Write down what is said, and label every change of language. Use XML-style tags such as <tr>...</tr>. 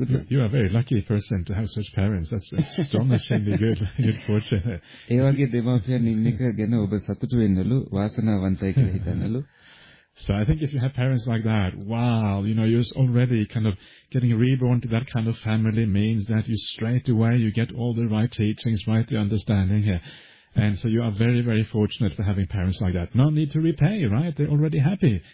<en>You are a very lucky person to have such parents. That's astonishingly good fortune.</en> <si>ඒ වගේ දෙමාපියන් ඉන්න එක ගැන ඔබ සතුටු වෙන්නලු වාසනාවන්තයි කියලා හිතනලු.</si> <en>So I think if you have parents like that, wow, you know, you're already kind of getting reborn to that kind of family means that you straight away, you get all the right teachings, right the understanding here. And so you are very, very fortunate for having parents like that. No need to repay, right? They're already happy.</en>